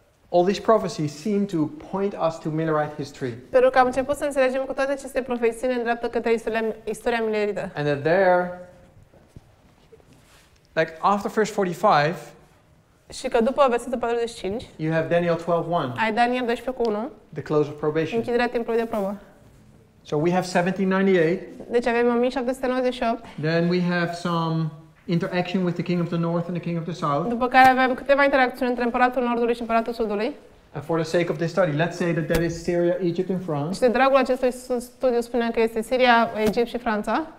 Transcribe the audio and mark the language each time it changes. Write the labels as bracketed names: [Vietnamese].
[English] All these prophecies seem to point us to Millerite history. [Romanian] Pentru că am început să înțelegem că toate aceste profeții ne îndreaptă către istoria Millerită. [English] And that there, like after verse 45, [Romanian] și că după versetul 45, [English] you have Daniel 12:1. [Romanian] Ai Daniel 12:1. [English] The close of probation. [Romanian] Închiderea timpului de probă. [English] So we have 1798. [Romanian] Deci avem 1798. [English] Then we have some interaction with the king of the north and the king of the south. [Romanian] După care avem câteva interacțiuni între împăratul nordului și împăratul sudului. [English] And for the sake of this study, let's say that is Syria, Egypt and France. [Romanian] Și de dragul acestui studiu spunem că este Siria, Egipt și Franța.